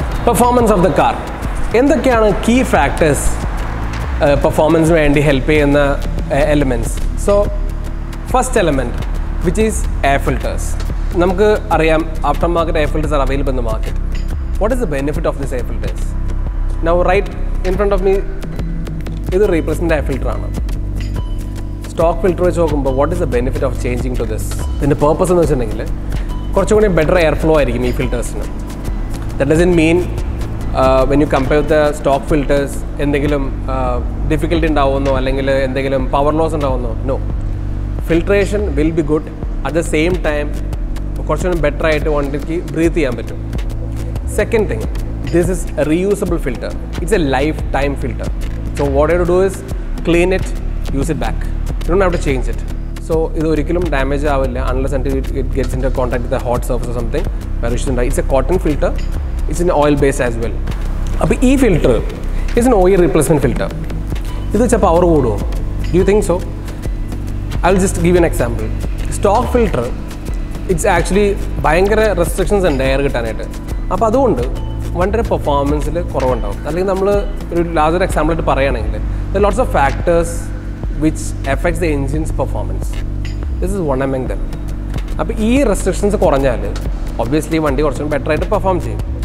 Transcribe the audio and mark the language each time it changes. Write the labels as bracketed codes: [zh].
[en] Performance of the car. [ml] Endakkeyaanu [en] key factors performance vendi help cheyyunna elements. So, first element, which is air filters. [ml] Namukku ariyam [en] aftermarket air filters are available in the market. What is the benefit of these air filters? Now, right in front of me, [ml] ഇത് replacement air filter ആണ്. Stock filter വെച്ച് നോക്കുമ്പോൾ [en] What is the benefit of changing to this? [ml] ഇതിൻ്റെ purpose എന്ന് വെച്ചിട്ടുണ്ടെങ്കിൽ കുറച്ചുകൂടി better air flow ആയിരിക്കും ഈ ഫിൽറ്റേഴ്സിന്. [en] that doesn't mean when you compare the stock filters [ml] എന്തെങ്കിലും ഡിഫിക്കൽട്ടി ഉണ്ടാവുമെന്നോ അല്ലെങ്കിൽ എന്തെങ്കിലും power loss ഉണ്ടാവുമെന്നോ. [en] No, filtration will be good. At the same time [ml] കുറച്ചുകൂടി ബെറ്റർ ആയിട്ട് വണ്ടിക്ക് ബ്രീത്ത് ചെയ്യാൻ പറ്റും. [en] Second thing this is a reusable filter. It's a lifetime filter. So what you have to do is clean it, use it back. You don't have to change it. So [ml] ഇത് ഒരിക്കലും damage ആവില്ല [en] unless until it gets into contact with the hot surface or something. [ml] വേറെ issue ഉണ്ടായി. [en] It's a cotton filter. It's an oil base as well. അപ്പോൾ ഈ filter is an oil replacement filter. [ml] ഇത് വെച്ചാൽ power കൂടുമോ? [en] Do you think so? I'll just give you an example. Stock filter, it's actually [ml] ഭയങ്കര restrictions ഉണ്ട് air കിട്ടാനായിട്ട്. അപ്പോൾ അതുകൊണ്ട് വണ്ടിയുടെ പെർഫോമൻസിൽ കുറവുണ്ടാവും. അല്ലെങ്കിൽ നമ്മൾ ഒരു ലാർജ് ഒരു എക്സാമ്പിൾ ആയിട്ട് പറയുകയാണെങ്കിൽ [en] The lots of factors which effects the engine's performance. This is one among them. [ml] അപ്പോൾ ഈ റെസ്ട്രിക്ഷൻസ് കുറഞ്ഞാൽ ഒബ്വിയസ്ലി വണ്ടി കുറച്ചും ബെറ്റർ ആയിട്ട് പെർഫോം ചെയ്യും.